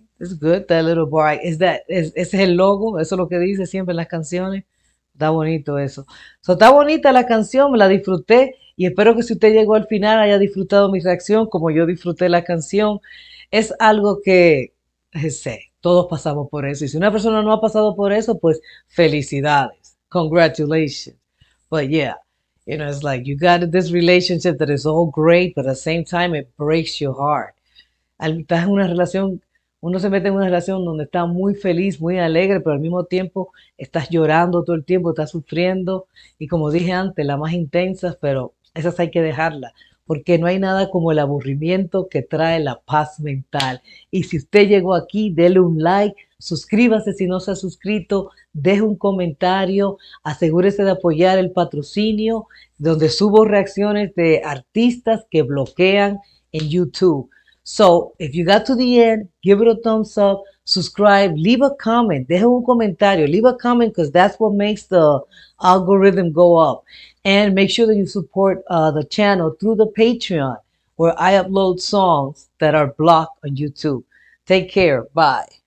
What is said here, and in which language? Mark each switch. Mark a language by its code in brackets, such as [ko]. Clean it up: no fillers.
[en] It's good, that little bar. [es] Ese es el logo, eso es lo que dice siempre en las canciones. Está bonito eso. So, está bonita la canción, me la disfruté y espero que si usted llegó al final haya disfrutado mi reacción como yo disfruté la canción. Es algo que sé, todos pasamos por eso. Y si una persona no ha pasado por eso, pues felicidades. [en] Congratulations. But yeah. It's like you got this relationship that is all great, but at the same time it breaks your heart. [es] Estás en una relación, uno se mete en una relación donde está muy feliz, muy alegre, pero al mismo tiempo estás llorando todo el tiempo, estás sufriendo y como dije antes, las más intensas, pero esas hay que dejarlas, porque no hay nada como el aburrimiento que trae la paz mental. Y si usted llegó aquí, dele un like, suscríbase si no se ha suscrito. Deje un comentario, asegúrese de apoyar el patrocinio donde subo reacciones de artistas que bloquean en YouTube. [en] So, if you got to the end, give it a thumbs up, subscribe, leave a comment, [es] deje un comentario, [en] leave a comment because that's what makes the algorithm go up. And make sure that you support the channel through the Patreon, where I upload songs that are blocked on YouTube. Take care, bye.